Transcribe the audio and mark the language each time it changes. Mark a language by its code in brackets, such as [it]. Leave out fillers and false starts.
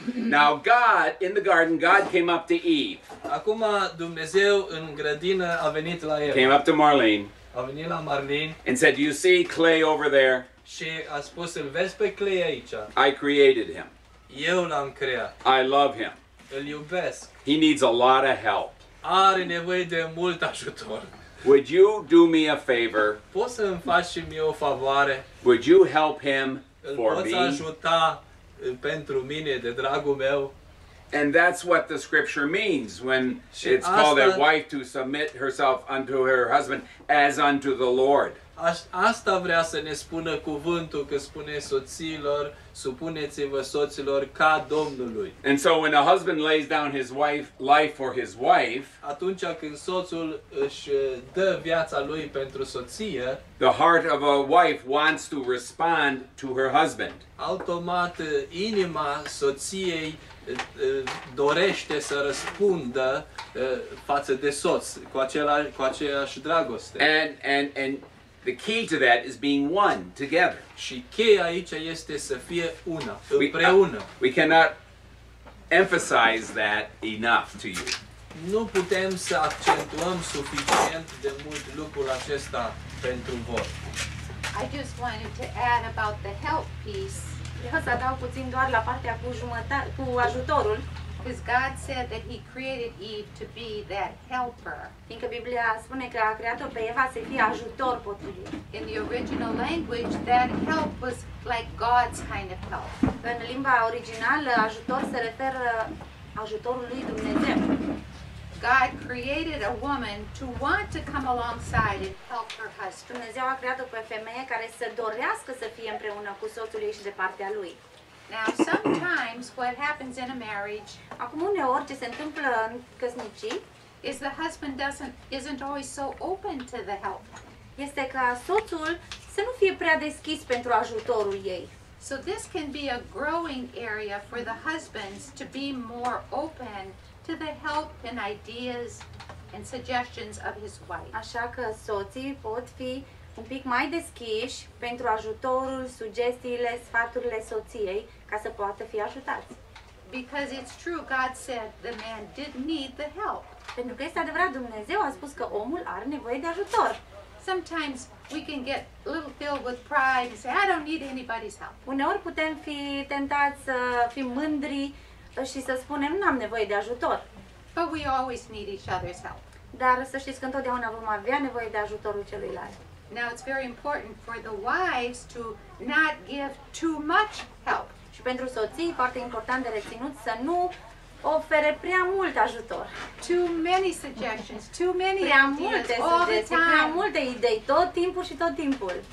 [en] Now God in the garden, God came up to Eve. [ro] Acum Dumnezeu în grădină a venit la Eva. [en] Came up to Marlene. [ro] A venit la Marlene. [en] And said, "You see Clay over there?" [ro] Și a spus, "Îl vezi pe Clay aici?" [en] I created him. [ro] Eu l-am creat. [en] I love him. [ro] Îl iubesc. [en] He needs a lot of help. [ro] Are nevoie de mult ajutor. [en] Would you do me a favor? [ro] Poți să-mi faci și mie o favoare? [en] Would you help him for me? [ro] Îl poți ajuta pentru mine, de dragul meu? [en] And that's what the scripture means when it's called a wife to submit herself unto her husband as unto the Lord. [ro] Asta vrea să ne spună cuvântul, că spune soților, supuneți-vă soților ca Domnului. [en] And so when a husband lays down his wife life for his wife, [ro] atunci când soțul își dă viața lui pentru soție, [en] the heart of a wife wants to respond to her husband. [ro] Automat inima soției dorește să răspundă față de soț cu aceeași dragoste. [en] And the key to that is being one together. [ro] Și cheia aici este să fie una, împreună. [en] We cannot emphasize that enough to you. [ro] Nu putem să accentuăm suficient de mult lucrul acesta pentru voi. [en] I just wanted to add about the help piece. [ro] Vreau să adaug puțin doar la partea cu ajutorul. [en] Because God said that He created Eve to be that helper. [ro] Fiindcă Biblia spune că a creat-o pe Eva să fie ajutor potrivit. [en] In the original language, that help was like God's kind of help. [ro] În limba originală, ajutor se referă ajutorul lui Dumnezeu. [en] God created a woman to want to come alongside and help her husband. [ro] Dumnezeu a creat-o pe femeie care să dorească să fie împreună cu soțul ei și de partea lui. [en] Now sometimes what happens in a marriage, [ro] acum uneori ce se întâmplă în căsnicii, [en] is the husband isn't always so open to the help. [ro] Este ca soțul să nu fie prea deschis pentru ajutorul ei. [en] So this can be a growing area for the husbands to be more open to the help and ideas and suggestions of his wife. [ro] Așa că soții pot fi un pic mai deschiși pentru ajutorul, sugestiile, sfaturile soției, ca să poată fi ajutați. [en] Because it's true, God said the man did need the help. [ro] Pentru că este adevărat, Dumnezeu a spus că omul are nevoie de ajutor. [en] Sometimes we can get a little filled with pride and say, I don't need anybody's help. [ro] Uneori putem fi tentați să fim mândri și să spunem, n-am nevoie de ajutor. [en] But we always need each other's help. [ro] Dar să știți că întotdeauna vom avea nevoie de ajutorul celuilalt. [en] Now it's very important for the wives to not give too much help. [ro] Și pentru soții, foarte important de reținut să nu ofere prea mult ajutor. [en] Too many suggestions, too many [ro] prea multe [en] ideas [ro] sugestii, [en] all the time. [ro] Prea multe idei, tot timpul și tot timpul.